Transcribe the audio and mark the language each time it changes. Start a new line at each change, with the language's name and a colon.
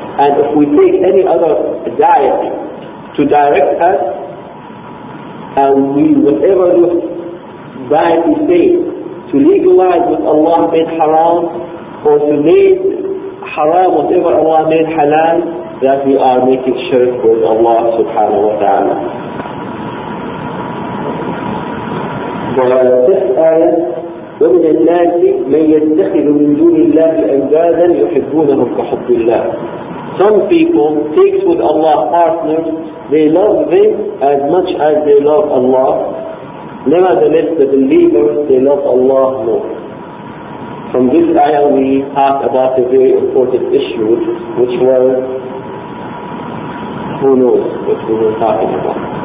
English: And if we take any other deity to direct us, and we whatever this deity says, to legalize what Allah made haram, or to make haram whatever Allah made halal, that we are making shirk with Allah subhanahu wa ta'ala. The fifth ayah,
Arabic: وَمِنَ النَّاسِ مَنْ يَتَّخِذُ مِنْ دُونِ اللَّهِ أَنْدَادًا تحبونهم كحب الله.
English: Some people take with Allah partners, they love them as much as they love Allah. Nevertheless, the believers, they love Allah more. From this ayah we talk about a very important issue, which was, who knows what we were talking about.